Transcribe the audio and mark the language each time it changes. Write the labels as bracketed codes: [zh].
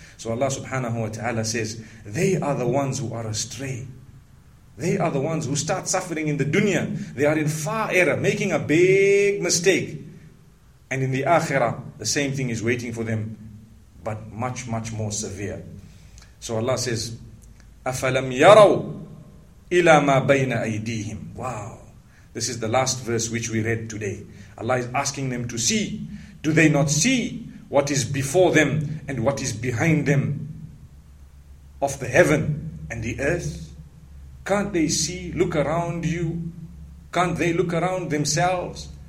[en] So Allah subhanahu wa ta'ala says, they are the ones who are astray. They are the ones who start suffering in the dunya. They are in far error, making a big mistake. And in the akhirah, the same thing is waiting for them, but much, much more severe. So Allah says, [ar] أَفَلَمْ يَرَوْا إِلَىٰ مَا بَيْنَ أَيْدِيهِمْ. [en] Wow. This is the last verse which we read today. Allah is asking them to see. Do they not see what is before them and what is behind them of the heaven and the earth? Can't they see, look around you? Can't they look around themselves?